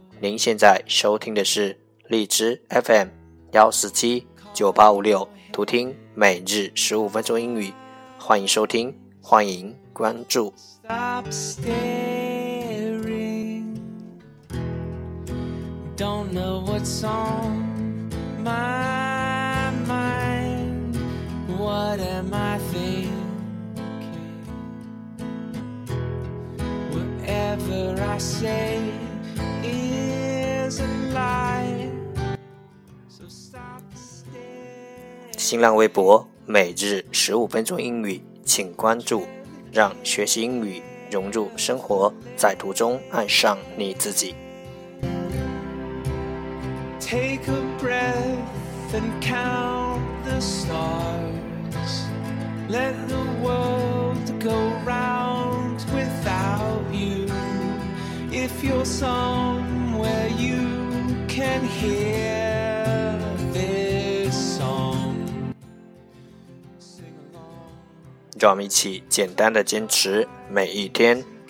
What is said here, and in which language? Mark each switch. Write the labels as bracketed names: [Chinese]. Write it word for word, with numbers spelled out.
[Chinese] 您现在收听的是荔枝 F M 一四七九八五六，图听每日十五分钟英语。欢迎收听，欢迎关注。 [English] Stop staring, don't know what's on my mind. What am I thinking? Whatever I say is a lie. So stop staring. [Chinese] 新浪微博每日十五分钟英语，请关注，让学习英语融入生活，在途中爱上你自己。 [English] Take a breath and count the stars. Let the world go round without you. If you're somewhere you can hear this song, sing along. [Chinese] 让我们一起简单的坚持每一天。